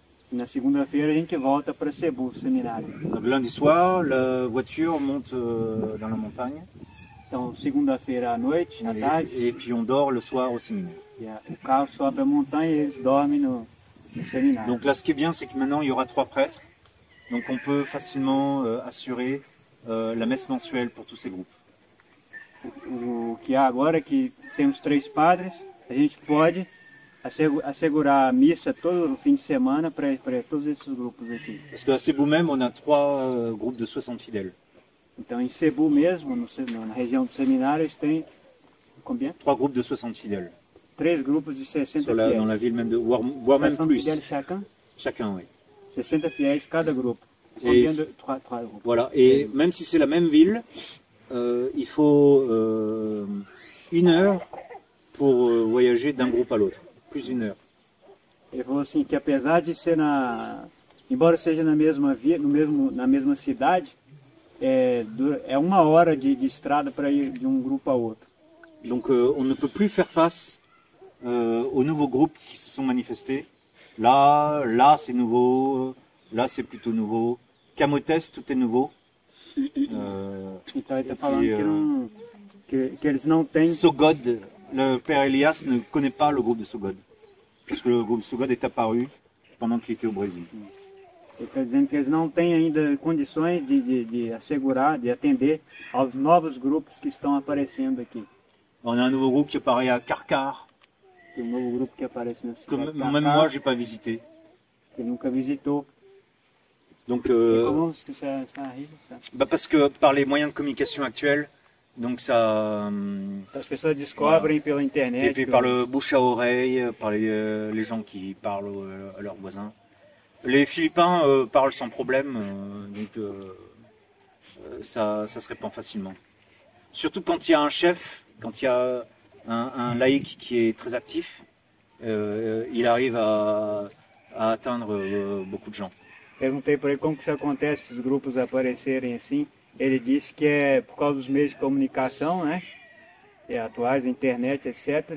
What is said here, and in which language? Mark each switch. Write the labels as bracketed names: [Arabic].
[Portuguese] Na segunda-feira, a gente volta para Cebu, seminário. [French] Donc, lundi soir, la voiture monte dans la montagne. [Portuguese] Então, segunda-feira à noite, à tarde. [French] Et puis on dort le soir au séminaire. [Portuguese] O carro sobe a montanha e eles dormem no seminário. [French] Donc là, ce qui est bien, c'est que maintenant, il y aura trois prêtres. Donc on peut facilement assurer la messe mensuelle pour tous ces groupes. [Portuguese] O que há agora é que temos três padres, a gente pode assegurar a missa todo o fim de semana para todos esses grupos aqui. [French] Parce que à Cebu même, on a trois groupes de 60 fidèles. [Portuguese] Então, em Cebu mesmo, na região do seminário, eles têm... [French] Combien? Trois groupes de 60 fidèles. [Portuguese] Três grupos de 60 fiéis. [French] Dans la ville même de... Voire même plus. [Portuguese] 60 fiéis chacun? [French] Chacun, oui. [Portuguese] 60 fiéis cada grupo. [French] Combien de... Trois groupes. Voilà. Et même si c'est la même ville, il faut une heure pour voyager d'un groupe à l'autre. Plus une heure. [Portuguese] Ele falou assim, que apesar de ser na... Embora seja na mesma via, no mesmo, na mesma cidade... É uma hora de estrada para ir de um grupo a outro. [French] Donc on ne peut plus faire face aux nouveaux groupes qui se sont manifestés. Là c'est nouveau, là c'est plutôt nouveau. Camotes, tout est nouveau. [Portuguese] Então ele está falando que eles não têm. [French] Sogod, le père Elias ne connaît pas le groupe de Sogod, parce que le groupe Sogod est apparu pendant qu'il était au Brésil. [Portuguese] Ele está dizendo que eles não têm ainda condições de assegurar, de atender aos novos grupos que estão aparecendo aqui. [French] On a un nouveau groupe qui apparaît à Carcar. [Portuguese] Tem um novo grupo que aparece na cidade. [French] Que même moi, j'ai pas visité. [Portuguese] Que nunca visitou. [French] Donc, comment est-ce que ça arrive, ça? Bah parce que par les moyens de communication actuels, donc ça. [Portuguese] As pessoas descobrem pela internet. [French] Et puis par le bouche à oreille, par les gens qui parlent à leurs voisins. Les Philippins parlent sans problème, donc ça se répand facilement. Surtout quand il y a un chef, quand il y a un laïc qui est très actif, il arrive à atteindre beaucoup de gens. [Portuguese] Perguntei para ele como que isso acontece, os grupos aparecerem assim. Ele disse que é por causa dos meios de comunicação, né? E atuais, internet, etc.